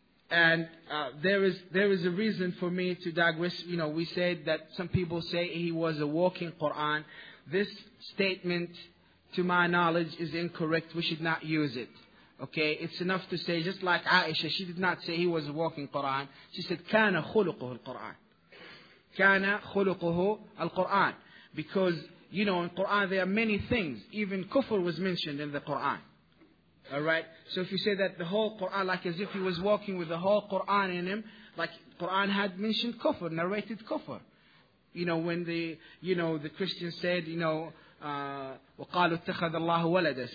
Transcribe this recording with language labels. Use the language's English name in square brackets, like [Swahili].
[English] And there is a reason for me to digress. You know, we said that some people say he was a walking Qur'an. This statement, to my knowledge, is incorrect. We should not use it. Okay, it's enough to say, just like Aisha, she did not say he was a walking Qur'an. [Arabic] She said, كَانَ خُلُقُهُ الْقُرْآنِ. كَانَ خُلُقُهُ الْقُرْآنِ. [English] Because, you know, in Qur'an there are many things. Even kufr was mentioned in the Qur'an. Alright, so if you say that the whole Qur'an, like as if he was walking with the whole Qur'an in him, like Qur'an had mentioned kufr, narrated kufr. You know, when the, you know, the Christians said, you know, [Arabic] وَقَالُوا اتَّخَذَ اللَّهُ وَلَدَ.